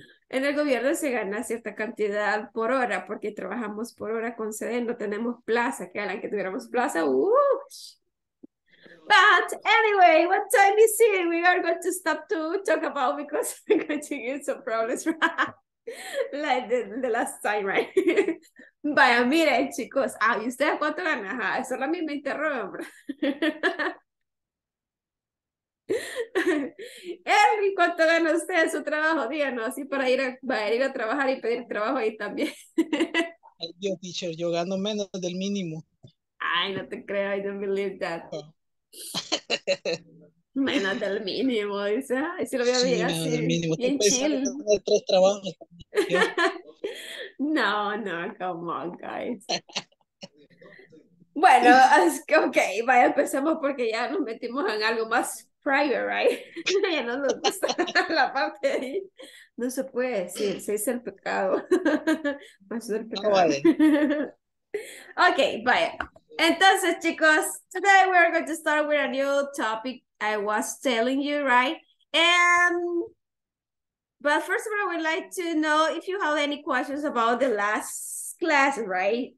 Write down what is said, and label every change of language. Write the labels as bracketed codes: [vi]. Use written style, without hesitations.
[es] En el gobierno se gana cierta cantidad por hora, porque trabajamos por hora con sede, no tenemos plaza, que hagan que tuviéramos plaza. [en] But anyway, what time is it? We are going to stop to talk about because we continue some problems, like the last time, right? [es] Vaya, miren, chicos, ¿y ustedes cuánto ganan? Eso a mí me interrumpe. Henry, ¿cuánto gana usted su trabajo? Díganos, así para ir a trabajar y pedir trabajo ahí también. Yo, teacher, yo gano menos del mínimo. Ay, no te creo, [en] I don't believe that. [es] Menos del mínimo, dice. Ay, si lo voy a decir así. Del mínimo. Tengo tres trabajos. No, come on, guys. Bueno, es que okay, vaya, empecemos porque ya nos metimos en algo más [en] private, right? [es] Ya no nos gusta la parte de ahí. No se puede decir, se dice el pecado. Va a ser pecado. No vale. Okay, vaya. Entonces, chicos, [en] today we're going to start with a new topic I was telling you, right? But first of all, I would like to know if you have any questions about the last class, right?